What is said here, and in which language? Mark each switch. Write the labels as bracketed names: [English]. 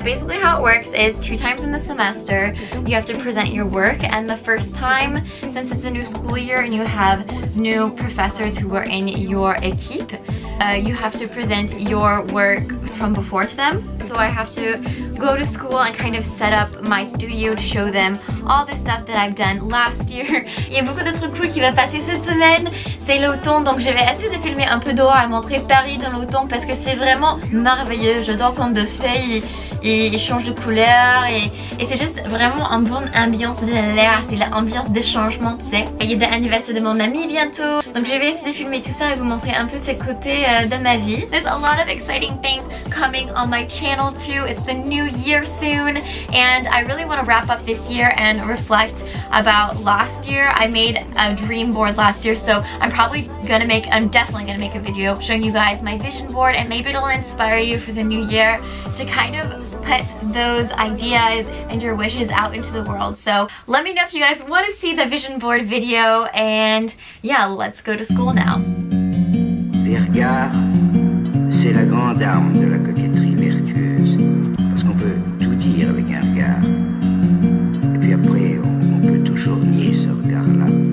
[English] Basically how it works is two times in the semester you have to present your work, and the first time, since it's a new school year and you have new professors who are in your equipe, you have to present your work from before to them. So I have to go to school and kind of set up my studio to show them all the stuff that I've done last year. [French] Il y a beaucoup de trucs cool qui va passer cette semaine. C'est l'automne, donc je vais essayer de filmer un peu dehors et montrer Paris dans l'automne parce que c'est vraiment merveilleux. J'adore quand de feuilles ils changent de couleur et c'est juste vraiment une bonne ambiance de l'air. C'est l'ambiance des changements, tu sais. Il y a l'anniversaire de mon ami bientôt. Donc je vais essayer de filmer tout ça et vous montrer un peu ces côtés de ma vie. [English] There's a lot of exciting things coming on my channel too. It's the new year soon and I really want to wrap up this year and reflect about last year. I made a dream board last year, so I'm definitely gonna make a video showing you guys my vision board, and maybe it'll inspire you for the new year to kind of put those ideas and your wishes out into the world. So let me know if you guys want to see the vision board video, and yeah, let's go to school now. [French] Les regards, c'est la grande arme de la coquetterie vertueuse, parce qu'on peut tout dire avec un regard. Et puis après, on peut toujours nier ce regard-là.